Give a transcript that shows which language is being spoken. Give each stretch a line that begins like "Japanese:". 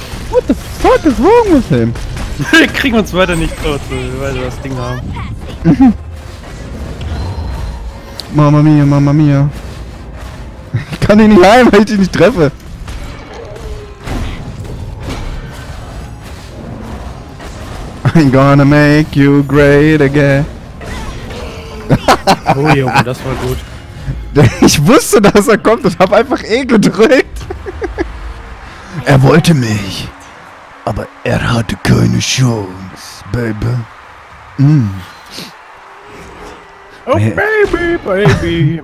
English: What the fuck is wrong with him?
German: Kriegen wir uns weiter nicht tot, weil wir das Ding haben. Mama mia. Ich kann ihn nicht heilen, weil ich ihn nicht treffe.
English: I'm gonna make you great again.
German: Oh Junge, das war gut. Ich wusste, dass er kommt und hab einfach E gedrückt. Er wollte mich. Aber er hatte keine Chance, Baby. Oh, Baby.